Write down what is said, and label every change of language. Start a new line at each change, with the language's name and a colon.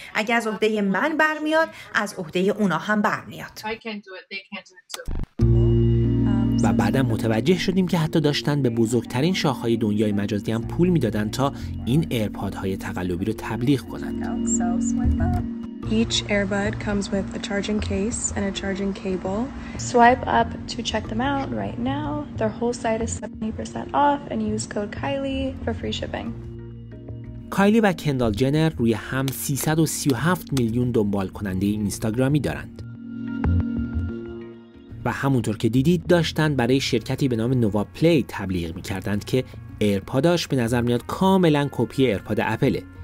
Persian: اگه از عهده من برمیاد، از عهده اونا هم برمیاد. و بعدم متوجه شدیم که حتی داشتن به بزرگترین شاخهای دنیای مجازی هم پول میدادن تا این ایرپادهای تقلبی رو تبلیغ کنن.
English: Each earbud comes with a charging case and a charging cable. Swipe up to check them out right now. Their whole site is 70% off and use code Kylie for free shipping.
Persian: کایلی و کندال جنر روی هم 337 میلیون دنبال کننده اینستاگرامی دارند. و همونطور که دیدید داشتن برای شرکتی به نام نووا پلی تبلیغ می‌کردند که ایرپاداش به نظر میاد کاملاً کپی ایرپاد اپله.